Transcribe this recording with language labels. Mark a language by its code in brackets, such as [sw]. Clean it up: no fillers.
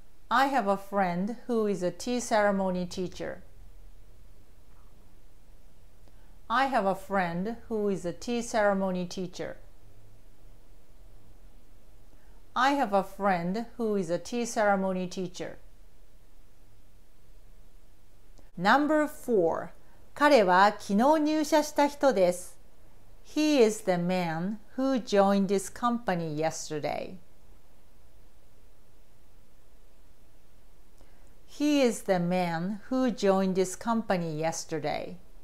[en] I have a friend who is a tea ceremony teacher. I have a friend who is a tea ceremony teacher. I have a friend who is a tea ceremony teacher. Number 4. [ja] 彼は昨日入社した人です。 [en] He is the man who joined this company yesterday. He is the man who joined this company yesterday.